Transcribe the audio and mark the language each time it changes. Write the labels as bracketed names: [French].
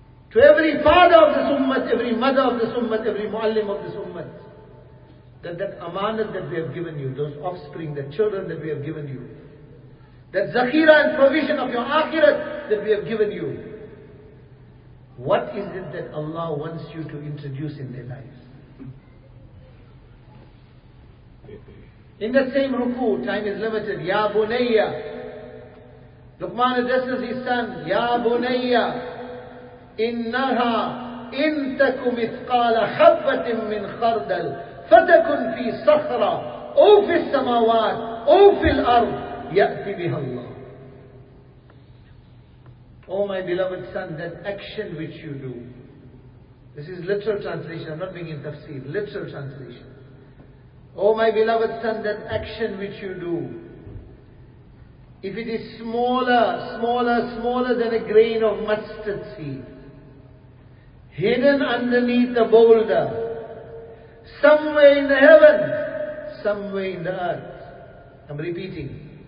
[English] To every father of this ummah, every mother of this ummah, every muallim of this ummah, that amanat that we have given you, those offspring, the children that we have given you, that zakhira and provision of your akhirat that we have given you, what is it that Allah wants you to introduce in their lives? In the same ruku, time is limited, Ya Bunayya, [Arabic] Luqman addresses his son, Ya Bunayya, إِنَّهَا إِن تَكُ مِثْقَالَ حَبَّةٍ مِّنْ خَرْدَلْ فَتَكُنْ فِي صَخْرَ أَوْ فِي السَّمَوَاتِ أَوْ فِي الْأَرْضِ يَأْتِ بِهَا اللَّهِ. [English] Oh my beloved son, that action which you do. This is literal translation, I'm not being in tafsir, literal translation. Oh my beloved son, that action which you do. If it is smaller than a grain of mustard seed, hidden underneath a boulder, somewhere in the heaven, somewhere in the earth. I'm repeating.